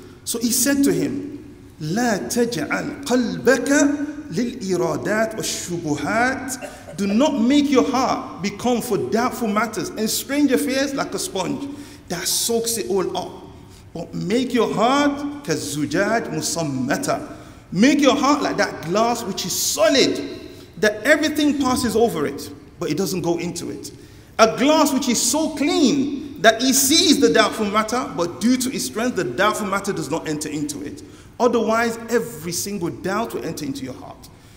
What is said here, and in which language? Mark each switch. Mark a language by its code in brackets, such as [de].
[en] So he said to him, [ar] لا تجعل قلبك للإرادات والشبهات. [en] Do not make your heart become for doubtful matters and strange affairs like a sponge that soaks it all up. But make your heart [ar] كالزجاج مصمتة. [en] Make your heart like that glass which is solid, that everything passes over it, but it doesn't go into it. A glass which is so clean that he sees the doubtful matter, but due to his strength, the doubtful matter does not enter into it. Otherwise, every single doubt will enter into your heart.